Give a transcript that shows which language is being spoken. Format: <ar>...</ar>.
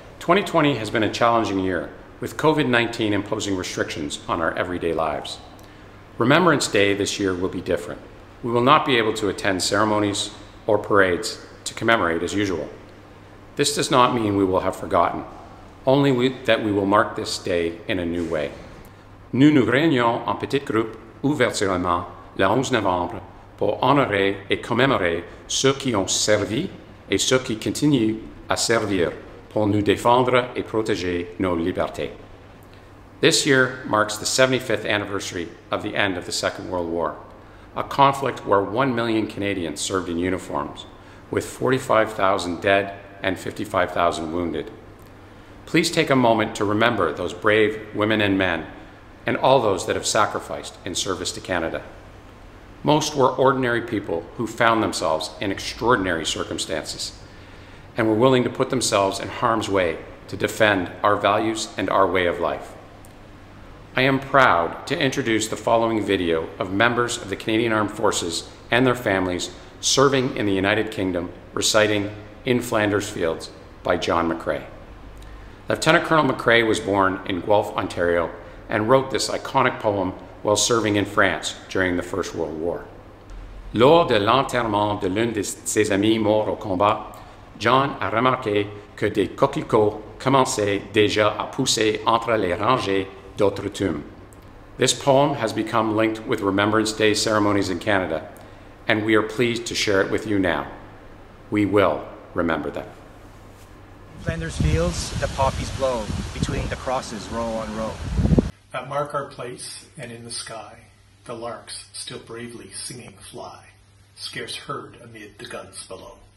<en>2020 has been a challenging year, with COVID-19 imposing restrictions on our everyday lives. Remembrance Day this year will be different. We will not be able to attend ceremonies or parades to commemorate as usual. This does not mean we will have forgotten, only that we will mark this day in a new way.</en> <fr>Nous nous réunions en petit groupe ouvertement le 11 novembre pour honorer et commémorer ceux qui ont servi et ceux qui continuent à servir pour nous défendre et protéger nos libertés.</fr> <en>This year marks the 75th anniversary of the end of the Second World War, a conflict where 1 million Canadians served in uniforms, with 45,000 dead and 55,000 wounded. Please take a moment to remember those brave women and men and all those that have sacrificed in service to Canada. Most were ordinary people who found themselves in extraordinary circumstances and were willing to put themselves in harm's way to defend our values and our way of life. I am proud to introduce the following video of members of the Canadian Armed Forces and their families serving in the United Kingdom, reciting In Flanders Fields by John McCrae. Lieutenant Colonel McCrae was born in Guelph, Ontario, and wrote this iconic poem while serving in France during the First World War.</en> <fr>Lors de l'enterrement de l'un de ses amis morts au combat, John a remarqué que des coquelicots commençaient déjà à pousser entre les rangées d'autres tombes.</fr> <en>This poem has become linked with Remembrance Day ceremonies in Canada, and we are pleased to share it with you now. We will remember them. Flanders Fields, the poppies blow between the crosses row on row. That mark our place, and in the sky, the larks still bravely singing fly, scarce heard amid the guns below.</en>